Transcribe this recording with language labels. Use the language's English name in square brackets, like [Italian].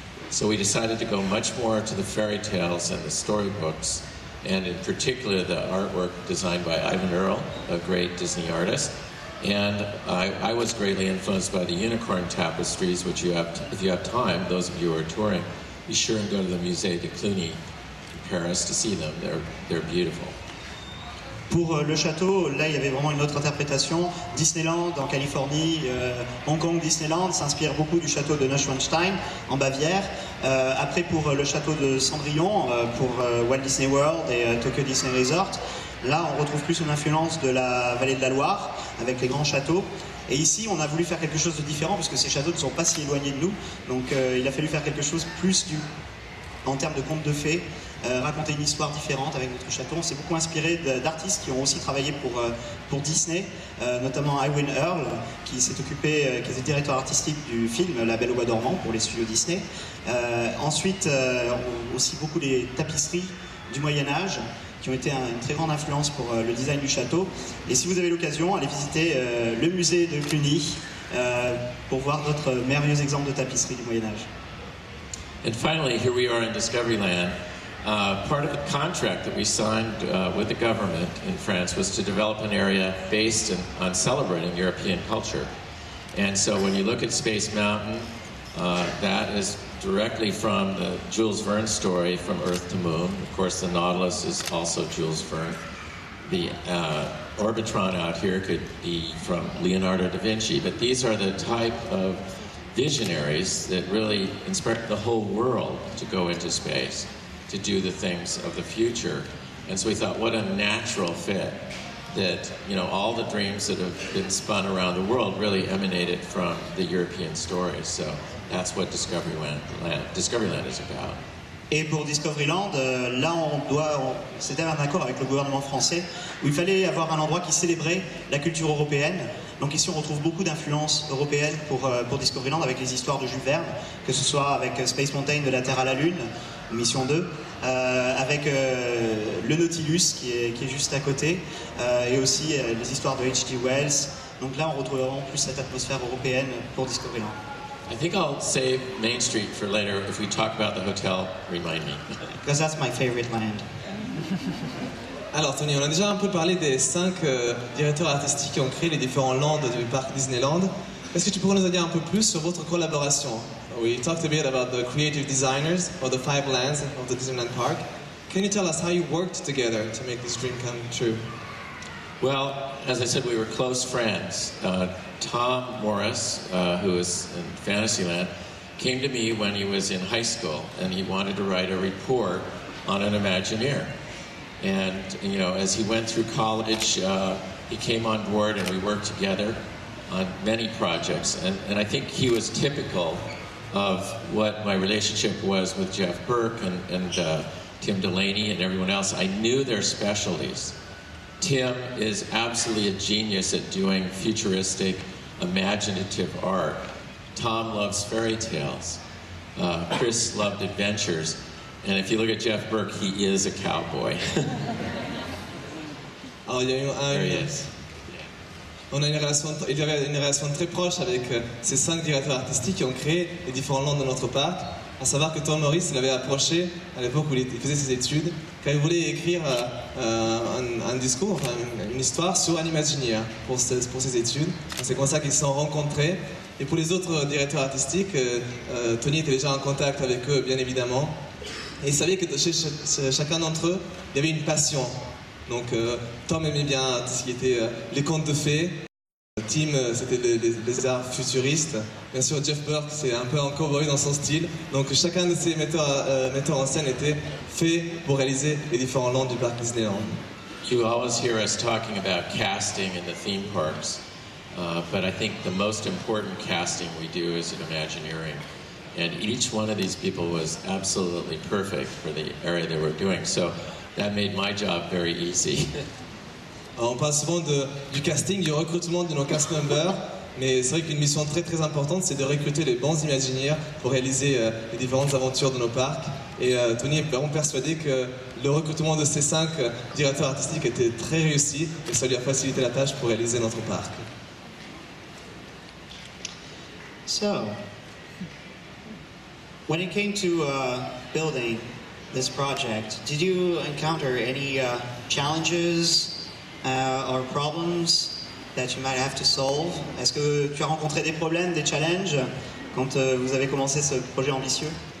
[English] So we decided to go much more to the fairy tales and the storybooks, and in particular the artwork designed by Ivan Earle, a great Disney artist. And I was greatly influenced by the unicorn tapestries, which you have, if you have time, those of you who are touring, be sure and go to the Musée de Cluny in Paris to see them. They're beautiful. [French] Pour le château, là, il y avait vraiment une autre interprétation. Disneyland en Californie, Hong Kong Disneyland s'inspire beaucoup du château de Neuschwanstein en Bavière. Après, pour le château de Cendrillon, pour Walt Disney World et Tokyo Disney Resort, là, on retrouve plus une influence de la vallée de la Loire avec les grands châteaux. Et ici, on a voulu faire quelque chose de différent parce que ces châteaux ne sont pas si éloignés de nous. Donc, il a fallu faire quelque chose plus en termes de contes de fées, raconter une histoire différente avec notre château. On s'est beaucoup inspiré d'artistes qui ont aussi travaillé pour Disney, notamment Ivan Earle, qui s'est occupé, qui est le directeur artistique du film La Belle au Bois Dormant pour les studios Disney. Ensuite, aussi beaucoup les tapisseries du Moyen Âge, qui ont été une très grande influence pour le design du château. Et si vous avez l'occasion, allez visiter le musée de Cluny pour voir notre merveilleux exemple de tapisserie du Moyen Âge. [English] And finally, here we are in Discoveryland. Part of the contract that we signed with the government in France was to develop an area based on celebrating European culture. And so when you look at Space Mountain, that is directly from the Jules Verne story, From Earth to Moon. Of course, the Nautilus is also Jules Verne. The Orbitron out here could be from Leonardo da Vinci, but these are the type of visionaries that really inspired the whole world to go into space, to do the things of the future. And so we thought, what a natural fit that, you know, all the dreams that have been spun around the world really emanated from the European story. So that's what Discoveryland is about. [French] Et pour Discoveryland, là on doit, c'était un accord avec le gouvernement français, où il fallait avoir un endroit qui célébrait la culture européenne. Donc ici on retrouve beaucoup d'influences européennes pour Discoveryland avec les histoires de Jules Verne, que ce soit avec Space Mountain, de la Terre à la Lune, mission 2, avec le Nautilus qui est juste à côté, et aussi les histoires de H.G. Wells. Donc là on retrouve vraiment plus cette atmosphère européenne pour Discoveryland. [English] I think I'll save Main Street for later. If we talk about the hotel, remind me. Because that's my favorite land. [French] Alors Tony, on a déjà un peu parlé des cinq directeurs artistiques qui ont créé les différents lands du parc Disneyland. Est-ce que tu pourrais nous en dire un peu plus sur votre collaboration? [English] We talked a bit about the creative designers of the five lands of the Disneyland Park. Can you tell us how you worked together to make this dream come true? Well, as I said, we were close friends. Tom Morris, who is in Fantasyland, came to me when he was in high school and he wanted to write a report on an Imagineer. And, you know, as he went through college, he came on board and we worked together on many projects. And I think he was typical of what my relationship was with Jeff Burke and Tim Delaney and everyone else. I knew their specialties. Tim is absolutely a genius at doing futuristic, imaginative art. Tom loves fairy tales. Chris loved adventures. And if you look at Jeff Burke, he is a cowboy. [French] Alors, il y a on a une relation très proche avec ces cinq directeurs artistiques qui ont créé les différents lands de notre parc. À savoir que Tom Morris l'avait approché à l'époque où il faisait ses études, quand il voulait écrire un discours, une histoire sur Animagineer pour ses études. Et c'est comme ça qu'ils se sont rencontrés. Et pour les autres directeurs artistiques, Tony était déjà en contact avec eux, bien évidemment. Et il savait que chez chacun d'entre eux, il y avait une passion. Donc Tom aimait bien tout ce qui était les contes de fées. Tim, c'était les arts futuristes. Bien sûr, Jeff Burke, c'est un peu un cowboy dans son style. Donc chacun de ces metteurs en scène était fait pour réaliser les différents lands du parc Disneyland. [English] You always hear us talking about casting in the theme parks. But I think the most important casting we do is in Imagineering. And each one of these people was absolutely perfect for the area they were doing. So that made my job very easy. [French] On parle souvent du casting, du recrutement de nos cast members, mais c'est vrai qu'une mission très très importante, c'est de recruter les bons imagineurs pour réaliser les différentes aventures de nos parcs. Et Tony est vraiment persuadé que le recrutement de ces cinq directeurs artistiques était très réussi et ça lui a facilité la tâche pour réaliser notre parc. [English] So, when it came to building this project, did you encounter any challenges? Or problems that you might have to solve? [French] Est-ce que tu as rencontré des problèmes, des challenges quand vous avez commencé ce projet ambitieux?